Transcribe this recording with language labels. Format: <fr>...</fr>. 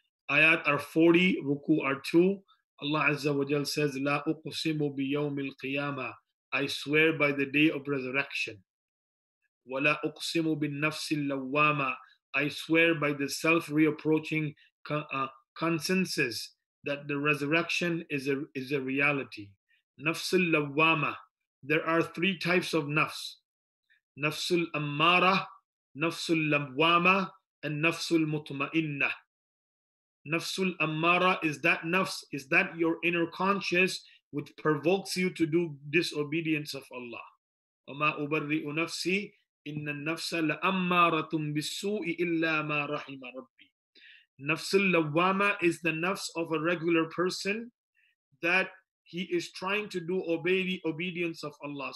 <en>Ayat are 40, ruku are 2. Allah Azza wa Jal says,</en> <ar>لا أقسم بيوم القيامة,</ar> <en>I swear by the day of resurrection.</en> <ar>ولا أقسم بالنفس اللوامة,</ar> <en>I swear by the self-reapproaching consensus that the resurrection is a reality. نفس اللوامة, there are three types of nafs. نفس الأمارة, نفس اللوامة, and نفس المطمئنة. Nafsul Ammara is that nafs, is that your inner conscience which provokes you to do disobedience of Allah.</en> <ar>وَمَا أُبَرِّئُ نَفْسِي إِنَّ النَّفْسَ لَأَمَّارَةٌ بِالسُّوءِ إِلَّا مَا رَحِمَ رَبِّي.</ar> <en>Nafsul Lawwama is the nafs of a regular person that he is trying to do obedience of Allah.</en>